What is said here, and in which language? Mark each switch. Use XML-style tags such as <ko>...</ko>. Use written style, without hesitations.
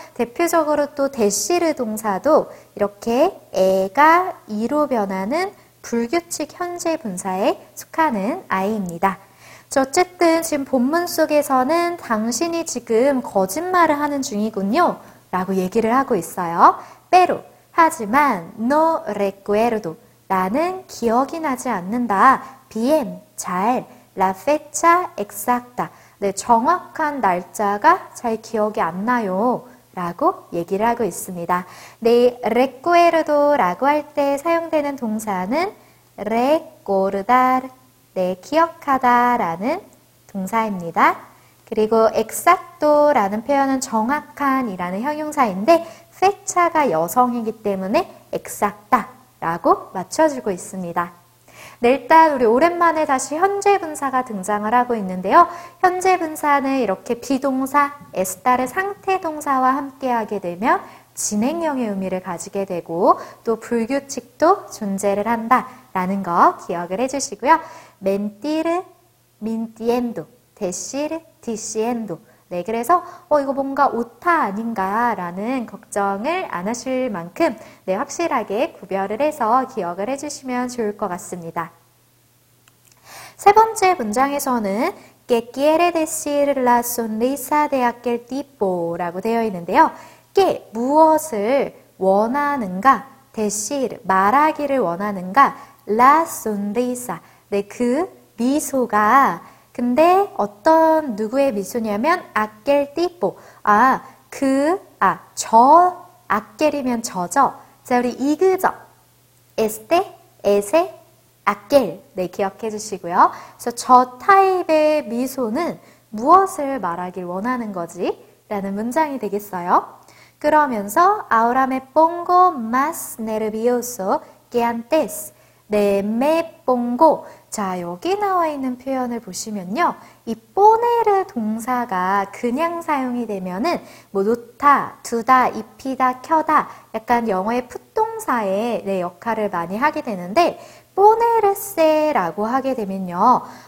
<ko>대표적으로 또 대시르 동사도 이렇게 에가 이로 변하는 불규칙 현재 분사에 속하는 아이입니다. 어쨌든 지금 본문 속에서는 당신이 지금 거짓말을 하는 중이군요. 라고 얘기를 하고 있어요.</ko> <es>Pero,</es> <ko>하지만,</ko> <es>no recuerdo.</es> <ko>나는 기억이 나지 않는다.</ko> <es>Bien,</es> <ko>잘.</ko> <es>La fecha exacta.</es> <ko>네, 정확한 날짜가 잘 기억이 안 나요. 라고 얘기를 하고 있습니다. 네 recuerdo 라고 할 때 사용되는 동사는 recordar, 네 기억하다 라는 동사입니다. 그리고 exacto 라는 표현은 정확한 이라는 형용사인데 fecha가 여성이기 때문에 exacta 라고 맞춰주고 있습니다. 네, 일단 우리 오랜만에 다시 현재분사가 등장을 하고 있는데요. 현재분사는 이렇게 비동사, estar의 상태동사와 함께하게 되면 진행형의 의미를 가지게 되고 또 불규칙도 존재를 한다라는 거 기억을 해주시고요.</ko> <es>mentir, mintiendo, decir, diciendo.</es> <ko>네, 그래서 이거 뭔가 오타 아닌가라는 걱정을 안 하실 만큼 네, 확실하게 구별을 해서 기억을 해주시면 좋을 것 같습니다. 세 번째 문장에서는</ko> <es>Que quiere decir la sonrisa de aquel tipo</es> <ko>라고 되어 있는데요. Que 무엇을 원하는가, decir 말하기를 원하는가,</ko> <es>la sonrisa</es> <ko>네, 그 미소가 근데 어떤 누구의 미소냐면 아켈 띠뽀 아켈이면 저죠. 자 우리 이그저 에스테 에세 아켈 네 기억해 주시고요. 그래서 저 타입의 미소는 무엇을 말하길 원하는 거지? 라는 문장이 되겠어요. 그러면서</ko> <es>Ahora me pongo más nervioso que antes.</es> <ko>네,</ko> <es>me pongo.</es> <ko>자, 여기 나와 있는 표현을 보시면요. 이 ponere 동사가 그냥 사용이 되면은 뭐 놓다, 두다, 입히다, 켜다 약간 영어의 put 동사의 네, 역할을 많이 하게 되는데 ponere se라고 하게 되면요.</ko>